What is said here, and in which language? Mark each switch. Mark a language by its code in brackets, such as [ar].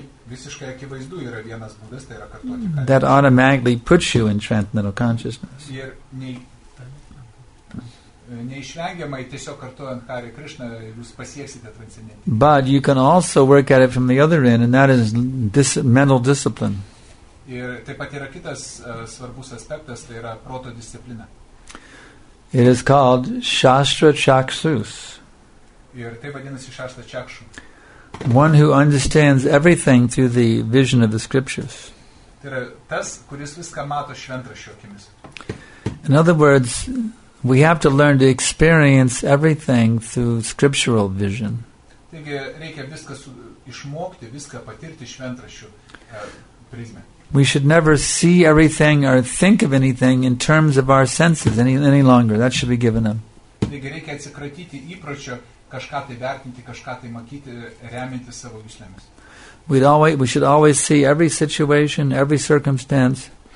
[lt] Visiškai akivaizdu yra vienas būdas, tai yra kartoti. [en] That automatically puts you in transcendental consciousness. [lt] Neišvengiamai tiesiog kartuojant Hare Krishna, jūs pasieksite transcendentinį. [en] But you can also work at it from the other end, and that is mental discipline. [lt] Ir taip pat yra kitas svarbus aspektas, tai yra proto disciplina. [en] It is called Shastra Chakshus. [lt] Ir tai vadinasi Shastra Chakshus. [en] One who understands everything through the vision of the scriptures. [lt] Tai yra tas, kuris viską mato šventraščio akimis. [en] In other words, we have to learn to experience everything through scriptural vision. [lt] Taigi, reikia viską išmokti, viską patirti šventraščių prizmę. [en] We should never see everything or think of anything in terms of our senses any longer. That should be given up. [lt] Taigi, reikia atsikratyti įpročio kažką tai vertinti, kažką tai matyti, remiantį savo juslėmis. We should always see every situation, every circumstance.